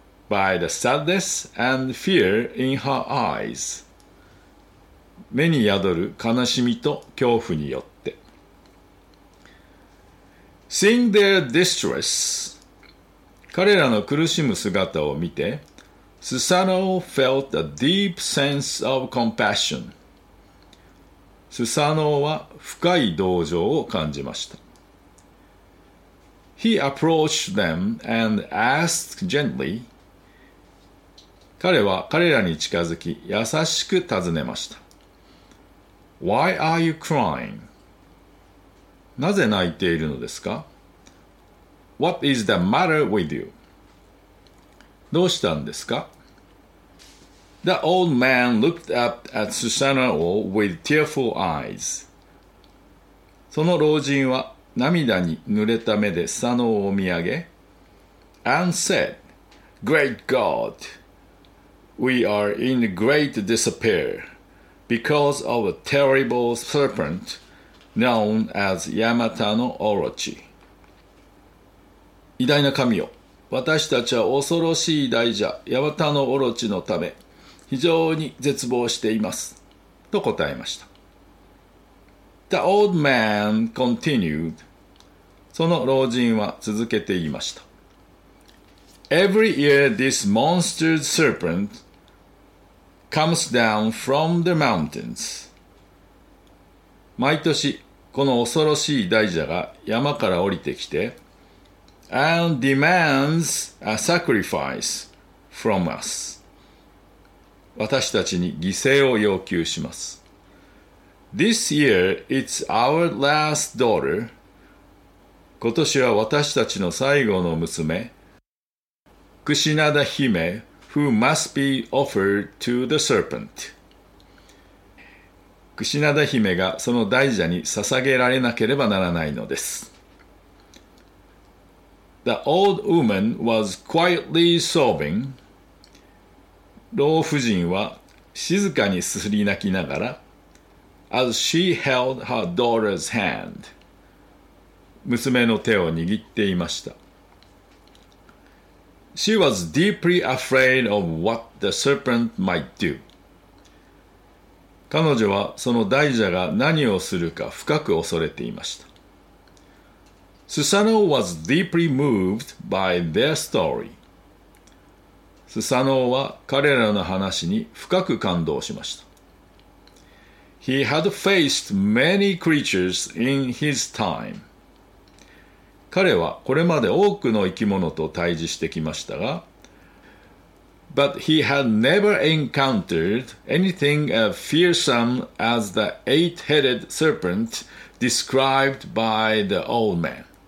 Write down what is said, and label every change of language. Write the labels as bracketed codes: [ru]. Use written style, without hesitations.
[en] By the sadness and fear in her eyes. [ja] 目に宿る悲しみと恐怖によって。 [en] Seeing their distress, [ja] 彼らの苦しむ姿を見て、 [en] Susanoo felt a deep sense of compassion. [ja] Susanoo は深い同情を感じました。 [en] He approached them and asked gently. [ja] 彼は彼らに近づき、優しく尋ねました。 [en] Why are you crying? [ja] なぜ泣いているのですか? [en] What is the matter with you? [ja] どうしたんですか? [en] The old man looked up at Susanoo with tearful eyes. [ja] その老人は涙に濡れた目でスサノオを見上げ、 [en] and said, Great God, we are in great despair because of a terrible serpent known as Yamata no Orochi. [ja] 偉大な神よ、私たちは恐ろしい大蛇、ヤマタノオロチのため非常に絶望しています。と答えました。 [en] The old man continued. [ja] その老人は続けて言いました。 [en] Every year this monster serpent comes down from the mountains. [ja] 毎年この恐ろしい大蛇が山から降りてきて、 [en] And demands a sacrifice from us. [ja] 私たちに犠牲を要求します。 [en] This year it's our last daughter. [ja] 今年は私たちの最後の娘、 [en] クシナダ姫、who must be offered to the serpent. [ja] クシナダ姫がその大蛇に捧げられなければならないのです。 [en] The old woman was quietly sobbing. [ja] 老婦人は静かにすすり泣きながら、 [en] As she held her daughter's hand. [ja] 娘の手を握っていました。 [en] She was deeply afraid of what the serpent might do. [ja] 彼女はその大蛇が何をするか深く恐れていました。 [en] Susanoo was deeply moved by their story. [ja] Susanoo は彼らの話に深く感動しました。 [en] He had faced many creatures in his time. [ja] 彼はこれまで多くの生き物と対峙してきましたが、 [en] But he had never encountered anything as fearsome as the eight-headed serpent described by the old man.